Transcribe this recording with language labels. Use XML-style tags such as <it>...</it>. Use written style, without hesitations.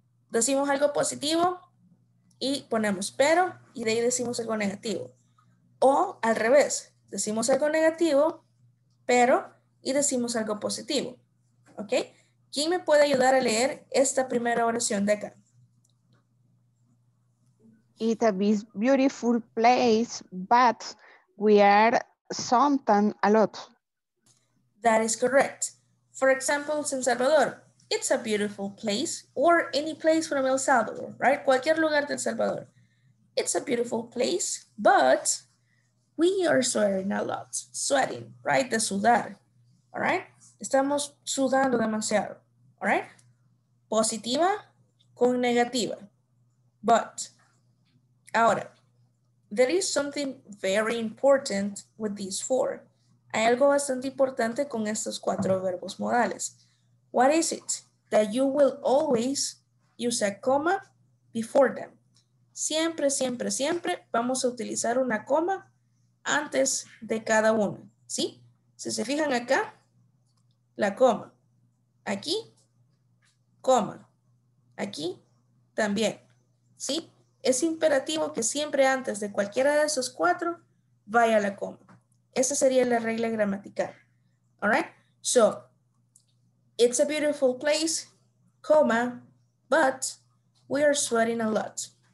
<es>Decimos algo positivo y ponemos pero y de ahí decimos algo negativo. O al revés, decimos algo negativo, pero y decimos algo positivo. ¿Ok? ¿Quién me puede ayudar a leer esta primera oración de acá?</es> <en>It's a beautiful place, but we are sometimes a lot. That is correct. For example, San Salvador. It's a beautiful place, or any place from El Salvador, right?</en> <es>Cualquier lugar de El Salvador.</es> <en>It's a beautiful place, but we are sweating a lot. Sweating, right?</en> <es>De sudar. All right? Estamos sudando demasiado. All right? Positiva con negativa. But. Ahora,</es> <en>there is something very important with these four.</en> <es>Hay algo bastante importante con estos cuatro verbos modales.</es> <en>What is it? That you will always use a comma before them.</en> <es>Siempre, siempre, siempre vamos a utilizar una coma antes de cada uno. ¿Sí? Si se fijan acá, la coma. Aquí, coma. Aquí, también. ¿Sí? Es imperativo que siempre antes de cualquiera de esos cuatro vaya la coma. Esa sería la regla gramatical. All right?</es> <en>So, it's a beautiful place, comma, but we are sweating a lot.</en>